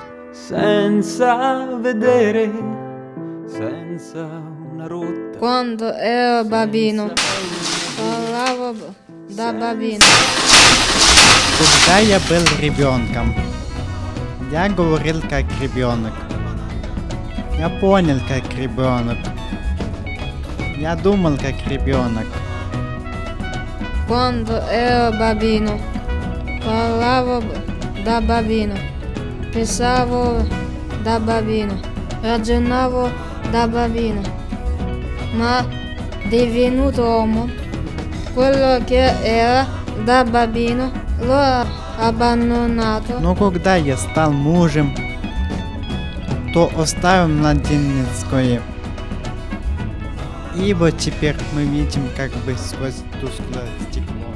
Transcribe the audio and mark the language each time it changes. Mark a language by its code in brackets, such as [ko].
[it] Senza vedere, senza una rotta. Quando ero bambino, parlavo da bambino. [ru] Когда был ребенком, я говорил как ребенок. Я понял как ребенок. Я думал как ребенок. [it] Quando ero bambino, parlavo da bambino. Pensavo da bambino, ragionavo da bambino, ma divenuto uomo, quello che era da bambino l'ho abbandonato. [ru] Но когда я стал мужем, то оставил младенецкое, ибо теперь мы видим как бы сквозь тусклое стекло.